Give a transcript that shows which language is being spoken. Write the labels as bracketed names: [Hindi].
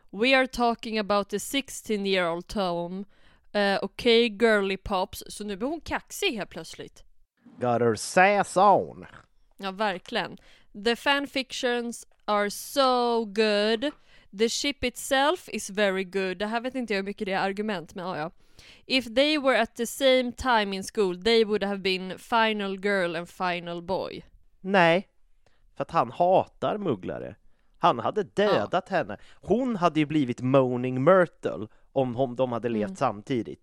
[English] We are talking about the 16-year-old Tom. Okay, girly pops. [Swedish] Så nu blir hon kaxig här plötsligt. [English] Got her sass on. [Swedish] Ja, verkligen. [English] The fanfictions are so good. The ship itself is very good. [Swedish] Det här vet inte jag hur mycket det är argument, men ja. [English] If they were at the same time in school, they would have been final girl and final boy. [Swedish] Nej, för att han hatar mugglare. Han hade dödat henne. Hon hade ju blivit Moaning Myrtle om de hade levt samtidigt.